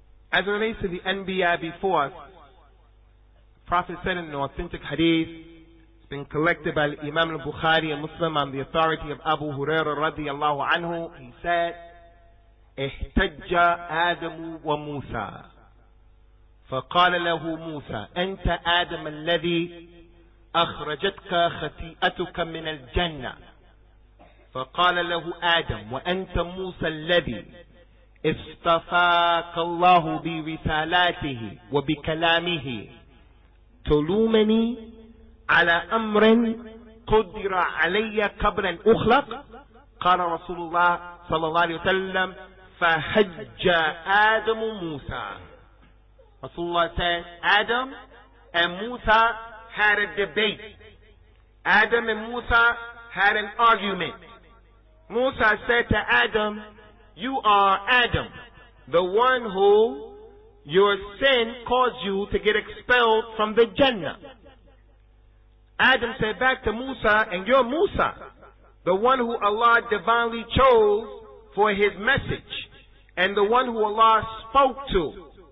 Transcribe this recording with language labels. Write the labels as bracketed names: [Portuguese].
[English] As it relates to the Anbiya before us, the Prophet said in an authentic hadith, been collected by Imam al-Bukhari, a Muslim, on the authority of Abu Huraira radiallahu anhu. He said, "Ihtajja Adamu wa Musa." [Arabic] فَقَالَ لَهُ مُوسَى أَنْتَ آدَمَ الَّذِي أَخْرَجَتْكَ خَتِيئَتُكَ مِنَ الْجَنَّةِ فَقَالَ لَهُ آدَمُ وَأَنْتَ مُوسَى الَّذِي اصْطَفَاكَ اللَّهُ بِرِسَالَاتِهِ وَبِكَلَامِهِ تُلُومَنِي على أمر قدر علي قبل أن أخلق قال رسول الله صلى الله عليه وسلم فهج آدم موسى رسول الله [English] said Adam and Musa had a debate. Adam and Musa had an argument. Musa said to Adam, you are Adam, the one who your sin caused you to get expelled from the Jannah. Adam said back to Musa, and you're Musa, the one who Allah divinely chose for his message, and the one who Allah spoke to.